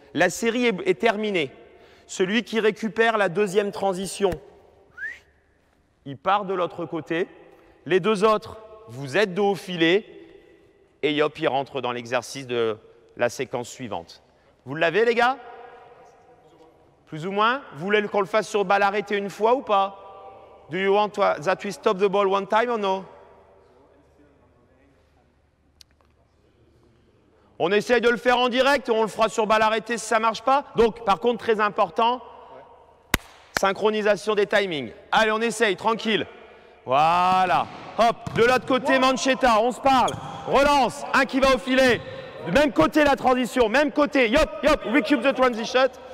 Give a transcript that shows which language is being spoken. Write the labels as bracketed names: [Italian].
[French] La série est terminée. Celui qui récupère la deuxième transition, il part de l'autre côté. Les deux autres, vous êtes dos au filet. Et Yop, il rentre dans l'exercice de la séquence suivante. Vous l'avez, les gars? Plus ou moins? Vous voulez qu'on le fasse sur balle arrêtée une fois ou pas? [English] Do you want that we stop the ball one time or no? [French] On essaye de le faire en direct, on le fera sur balle arrêtée si ça ne marche pas. Donc, par contre, très important, synchronisation des timings. Allez, on essaye, tranquille. Voilà. Hop, de l'autre côté, manchetta, on se parle. Relance, un qui va au filet. Même côté la transition, même côté, yop, yop, [English] recoup the transition.